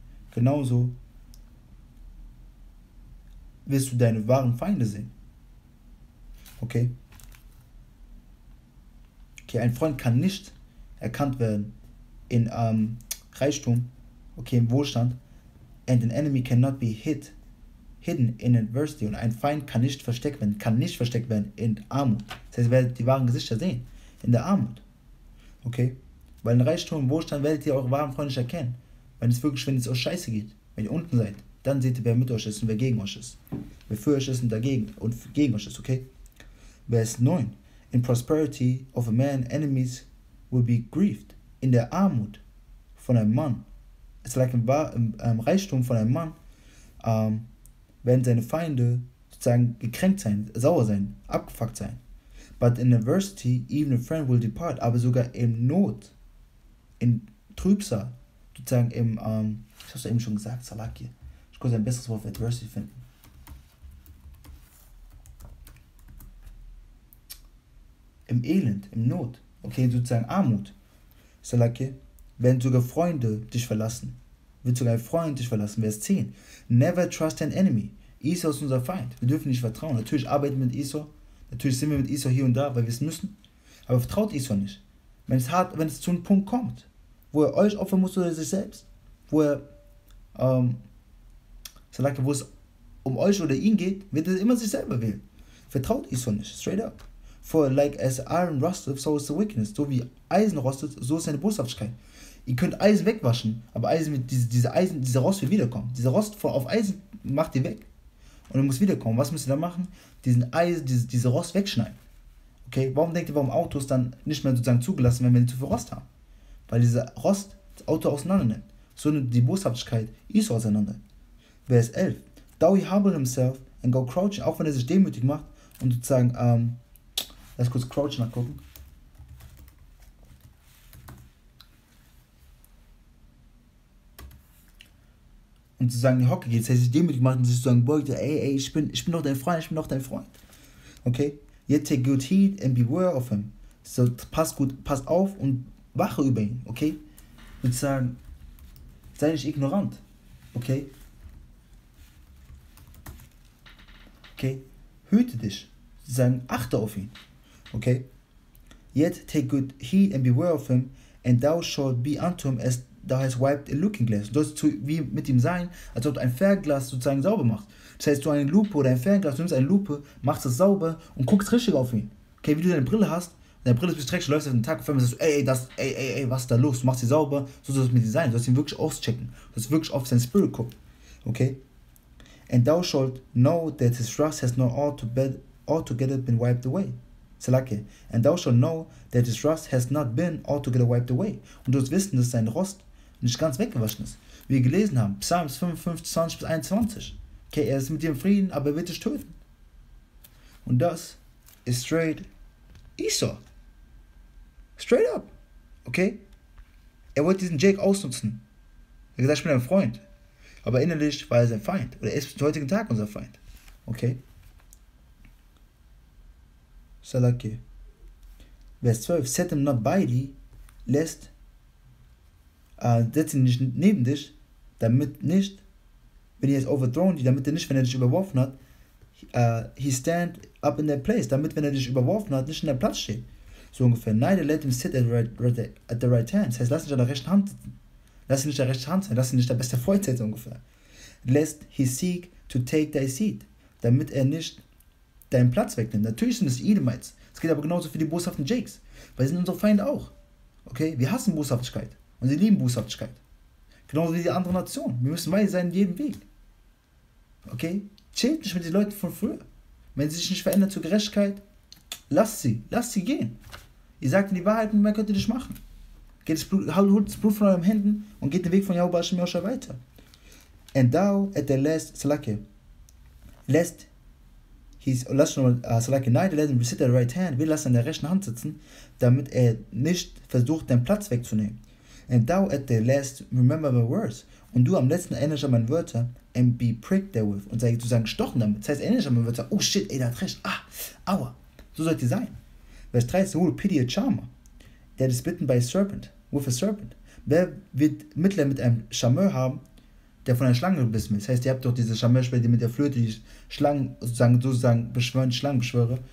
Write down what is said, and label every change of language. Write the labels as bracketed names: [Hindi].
[German] Genauso wirst du deine wahren Feinde sehen. Okay? Okay, ein Freund kann nicht erkannt werden in Reichtum, okay, im Wohlstand. [English] And an enemy cannot be hidden in adversity. [German] Und ein Feind kann nicht versteckt werden in Armut. Das heißt, ihr werdet die wahren Gesichter sehen in der Armut. Okay? Weil in Reichtum und Wohlstand werdet ihr eure wahren Freunde nicht erkennen. Wenn es wirklich, wenn es euch scheiße geht, wenn ihr unten seid, dann seht ihr, wer mit euch ist und wer gegen euch ist. Wer für euch ist und dagegen und gegen euch ist, okay? Vers 9. [English] In prosperity of a man, enemies will be grieved. [German] In der Armut von einem Mann, es ist like im Reichtum von einem Mann, werden seine Feinde sozusagen gekränkt sein, sauer sein, abgefuckt sein. [English] But in adversity, even a friend will depart. [German] Aber sogar in Not, in Trübsal, sozusagen im, ich hab's ja eben schon gesagt, Salaki. Ich konnte ein besseres Wort für Adversity finden. Im Elend, im Not, okay, sozusagen Armut, Salaki, werden sogar Freunde dich verlassen. Wird sogar ein Freund dich verlassen, Vers 10. [English] Never trust an enemy. [German] Esau ist unser Feind. Wir dürfen nicht vertrauen. Natürlich arbeiten wir mit Esau. Natürlich sind wir mit Esau hier und da, weil wir es müssen. Aber vertraut Esau nicht. Wenn es hart, wenn es zu einem Punkt kommt, wo er euch opfern muss oder sich selbst, wo er, wo es um euch oder ihn geht, wird er immer sich selber wählen. Vertraut Esau nicht, straight up. [English] For like as iron rusteth, so is the wickedness. [German] So wie Eisen rostet, so ist seine Boshaftigkeit. Ihr könnt Eisen wegwaschen, aber Eisen wird dieser Rost wird wiederkommen. Dieser Rost auf Eisen macht ihr weg und er muss wiederkommen. Was müsst ihr dann machen? Diese Rost wegschneiden. Okay, warum denkt ihr, warum Autos dann nicht mehr sozusagen zugelassen werden, wenn sie zu viel Rost haben? Weil dieser Rost das Auto auseinander nimmt. So nimmt die Boshaftigkeit Esau auseinander. Vers 11. [English] Though he humble himself and go crouching, [German] auch wenn er sich demütig macht und sozusagen, lass kurz crouch nachgucken. Und sozusagen in die Hocke geht, das heißt, sich demütig macht und sich sozusagen beugt, ey, ich bin doch dein Freund. Okay? [English] Yet take good heed and beware of him. [German] So, passt auf und wache über ihn, okay? Sozusagen, sei nicht ignorant, okay? Okay? Hüte dich, sozusagen, achte auf ihn, okay? [English] Yet take good heed and beware of him, and thou shalt be unto him as thou hast wiped a looking glass. [German] Du sollst wie mit ihm sein, als ob du ein Fernglas sozusagen sauber machst. Das heißt, du eine Lupe oder ein Fernglas, du nimmst eine Lupe, machst es sauber und guckst richtig auf ihn, okay? Wie du deine Brille hast. Deine Brille ist bis dreckig, läufst auf den Tag und sagst, ey, was ist da los? Du machst sie sauber, so soll es mit dir sein. Du sollst ihn wirklich auschecken. Du sollst wirklich auf sein Spirit gucken, okay? [English] And thou shalt know that his wrath has not altogether been wiped away. Selakeh. And thou shalt know that his wrath has not been altogether wiped away. [German] Und du wirst wissen, dass sein Rost nicht ganz weggewaschen ist. Wie wir gelesen haben, Psalms 25 bis 21. Okay, er ist mit dir im Frieden, aber er wird dich töten. Und das ist straight Esau. Straight up. Okay? Er wollte diesen Jake ausnutzen. Er hat gesagt, ich bin dein Freund. Aber innerlich war er sein Feind. Oder er ist bis zum heutigen Tag unser Feind. Okay? [English] Salaki. Vers 12. Set him not by thee, lest. [German] Setz ihn nicht neben dich, damit nicht, wenn er es overthrown, damit er nicht, wenn er dich überworfen hat, [English] he stand up in that place. [German] Damit, wenn er dich überworfen hat, nicht in der Platz steht. So ungefähr. [English] Neither let him sit at the right hand. [German] Das heißt, lass ihn an der rechten Hand sitzen. Lass ihn nicht der rechte Hand sein, lass ihn nicht der beste Freund sein, ungefähr. [English] Lest he seek to take thy seat, [German] damit er nicht deinen Platz wegnimmt. Natürlich sind es Edomites. Es geht aber genauso für die boshaften Jakes. Weil sie sind unsere Feinde auch. Okay? Wir hassen Boshaftigkeit. Und sie lieben Boshaftigkeit. Genauso wie die andere Nation. Wir müssen weise sein in jedem Weg. Okay? Chillt nicht mit den Leuten von früher. Wenn sie sich nicht verändern zur Gerechtigkeit, lass sie gehen. Ihr sagt ihnen die Wahrheit und mehr könnt ihr nicht machen. Geht das Blut, holt das Blut von euren Händen und geht den Weg von Yahweh Hashem Yosha weiter. [English] And thou at the last Salake. Neither let him sit at the right hand. [German] Will lassen an der rechten Hand sitzen, damit er nicht versucht, den Platz wegzunehmen. [English] And thou at the last remember my words. [German] Und du am letzten erinnerst an meine Wörter. [English] And be pricked therewith. [German] Und sei sozusagen gestochen damit. Das heißt, erinnerst an meine Wörter. Oh shit, ey, der hat recht. Ah, aua. So sollte es sein. Vers 13. [English] Oh, pity a charmer. That is bitten by a serpent. With a serpent. [German] Wer wird Mitleid mit einem Charmeur haben, der von einer Schlange gebissen wird? Das heißt, ihr habt doch diese Charmeurspieler, die mit der Flöte die Schlangen sozusagen beschwören, die Schlangenbeschwörer.